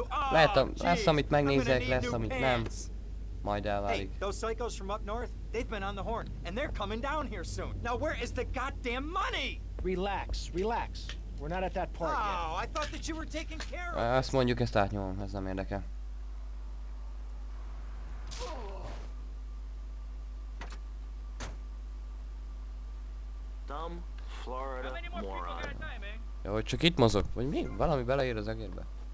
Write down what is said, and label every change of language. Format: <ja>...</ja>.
<hu>Lehet, lesz amit megnézek, lesz amit nem. Majd elválik.</hu> <en>Hey, those psychos from up north, they've been on the horn, and they're coming down here soon. Now where is the goddamn money? Relax. We're not at that part oh, yet. Oh, I thought that you were taking care of.</en> <hu>Azt mondjuk, ezt átnyomom, ez nem érdekel.</hu> <en>Dumb Florida moron.</en> <hu>Ja, hogy csak itt mozog? Vagy mi? Valami beleír az egérbe.</hu>